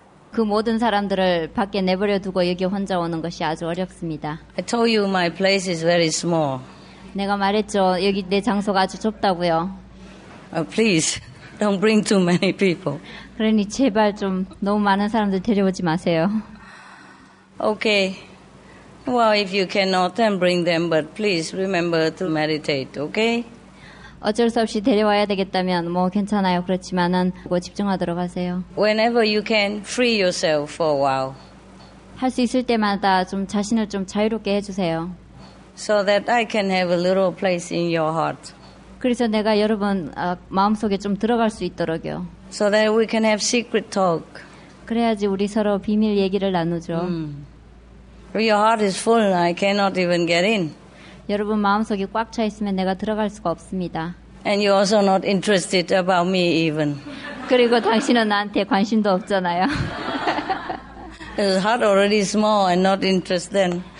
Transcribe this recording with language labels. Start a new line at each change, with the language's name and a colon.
Korean: 그 모든 사람들을 밖에 내버려 두고 여기 혼자 오는 것이 아주 어렵습니다.
English: I told you my place is very small.
Korean: 내가 말했죠. 여기 내 장소가 아주 좁다고요.
English: Please, don't bring too many people.
Korean: 그러니 제발 좀 너무 많은 사람들 데려오지 마세요.
English: Okay. Well, if you cannot, then bring them. But please remember to meditate, okay?
Korean: 어쩔 수 없이 데려와야 되겠다면 뭐 괜찮아요. 그렇지만은 뭐 집중하도록 하세요.
English: Whenever you can, free yourself for a while.
Korean: 할 수 있을 때마다 좀 자신을 좀 자유롭게 해주세요.
English: So that I can have a little place in your heart.
Korean: 그래서 내가 여러분 마음속에 좀 들어갈 수 있도록요.
English: So that we can have secret talk.
Korean: 그래야지 우리 서로 비밀 얘기를 나누죠.
English: Your heart is full. I cannot even get in.
Korean: 여러분 마음속이 꽉 차 있으면 내가 들어갈 수가 없습니다.
English: And you're also not interested about me even.
Korean: 그리고 당신은 나한테 관심도 없잖아요.
English: His heart already small and not interested.